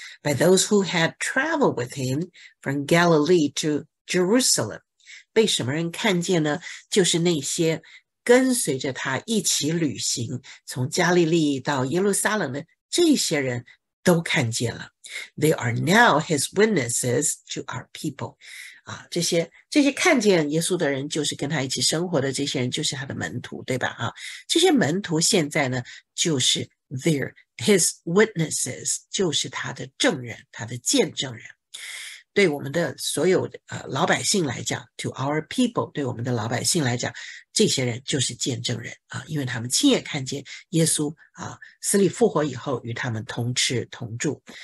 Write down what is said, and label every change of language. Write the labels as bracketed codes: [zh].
[en] By those who had traveled with him from Galilee to Jerusalem， [zh] 被什么人看见呢？就是那些跟随着他一起旅行，从加利利到耶路撒冷的这些人都看见了。 [en] They are now his witnesses to our people。 [zh] 啊，这些看见耶稣的人，就是跟他一起生活的这些人，就是他的门徒，对吧？啊，这些门徒现在呢，就是 [en] they're his witnesses， [zh] 就是他的证人，他的见证人。对我们的所有老百姓来讲 ， [en] to our people， [zh] 对我们的老百姓来讲，这些人就是见证人啊，因为他们亲眼看见耶稣啊死里复活以后与他们同吃同住。